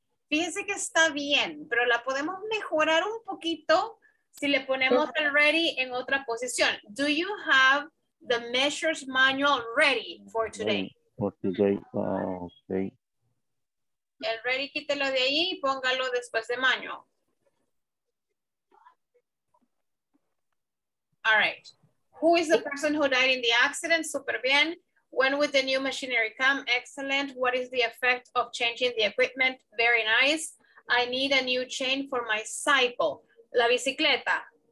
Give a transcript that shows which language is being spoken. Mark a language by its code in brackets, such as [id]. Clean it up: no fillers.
[es] Fíjense que está bien, pero la podemos mejorar un poquito si le ponemos el ready en otra posición. [en] Do you have the measures manual ready for today? For today. Okay. [es] El ready, quítelo de ahí y póngalo después de manual. [en] All right, who is the person who died in the accident? [es] Super bien. [en] When would the new machinery come? Excellent. What is the effect of changing the equipment? Very nice. I need a new chain for my cycle. [es] La bicicleta.